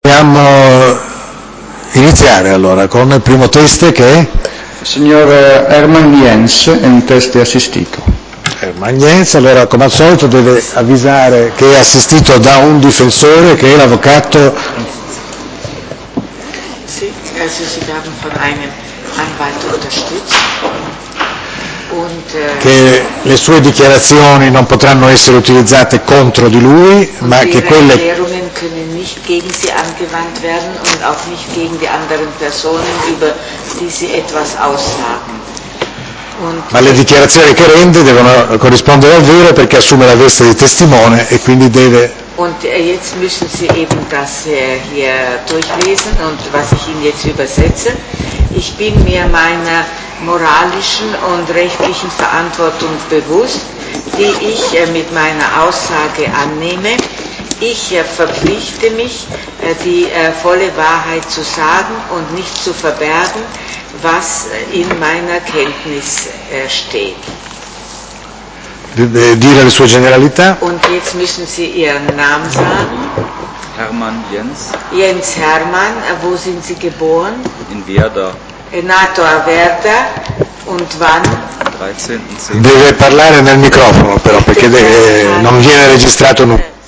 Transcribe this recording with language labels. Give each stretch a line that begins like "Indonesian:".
Italian: Dobbiamo iniziare allora con il primo test che Signor Hermann Jens è un test assistito. è Hermann Jens. Allora, come al solito, deve avvisare che è assistito da un difensore, che è l'avvocato.
German: Sì, also Sie werden von einem Anwalt unterstützt.
Italian: Che le sue dichiarazioni non potranno essere utilizzate contro di lui,
German: Und
Italian: ma che
German: Ihre
Italian: quelle.
German: Erklärungen können nicht gegen Sie angewandt werden und auch nicht gegen die anderen Personen, über die Sie etwas aussagen.
Italian: Ma le dichiarazioni che rende devono corrispondere al vero perché assume la veste di testimone e quindi deve.
German: Und jetzt müssen Sie eben das hier durchlesen und was ich Ihnen jetzt übersetze. Ich bin mir meiner moralischen und rechtlichen Verantwortung bewusst, die ich mit meiner Aussage annehme. Ich verpflichte mich, die volle Wahrheit zu sagen und nicht zu verbergen, was in meiner Kenntnis steht.
Italian: Dire le sue generalità.
German: Und jetzt müssen Sie Ihren Namen sagen. Hermann Jens. Jens Hermann, wo sind Sie geboren? In Werder.
Italian: Nato a Werder
German: und wann?
Italian: Deve parlare nel microfono però perché non viene registrato nulla.